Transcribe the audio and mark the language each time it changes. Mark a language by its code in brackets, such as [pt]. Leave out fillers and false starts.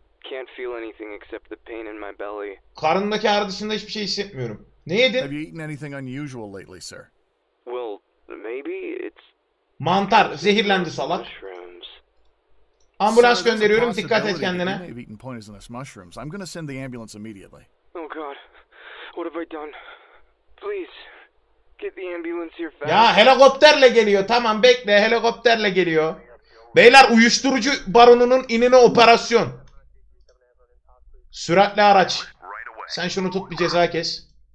[en] Can't feel anything except the pain in my belly. [tr] Karnımdaki ağrı dışında hiçbir şey hissetmiyorum. Ne yedin? [en] Have you eaten anything unusual lately, sir? Well, maybe it's [tr] mantar, zehirlendi salak. Ambulans gönderiyorum, dikkat et kendine. [en] You may have eaten poisonous mushrooms. I'm gonna send the ambulance immediately. Oh god. What have I done? Please get the ambulance here fast. [tr] Ya helikopterle geliyor. Tamam, bekle, helikopterle geliyor. Beyler, uyuşturucu baronunun inine operasyon. Süratli araç. Sen şunu tut, bir ceza kes.